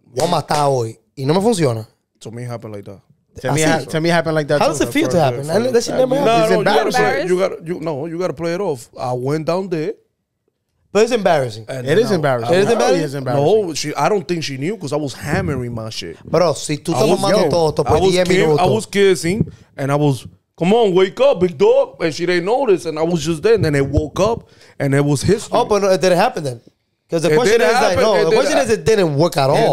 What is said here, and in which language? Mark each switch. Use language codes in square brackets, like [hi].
[en] To me, it happened like that. To me, it happened like that. How does it feel to happen? That shit never happened. It's embarrassing. You gotta play it off. I went down there. But it's embarrassing. It is embarrassing. It is embarrassing. No, I don't think she knew because I was hammering my shit. [es] Bro, si tú estás tomando todo, por 10 minutos. [en] I was kissing and I was, come on, wake up, big dog. And she didn't notice and I was just there. And then it woke up and it was history. Oh, but it didn't happen then. Because the question is, it didn't work at all.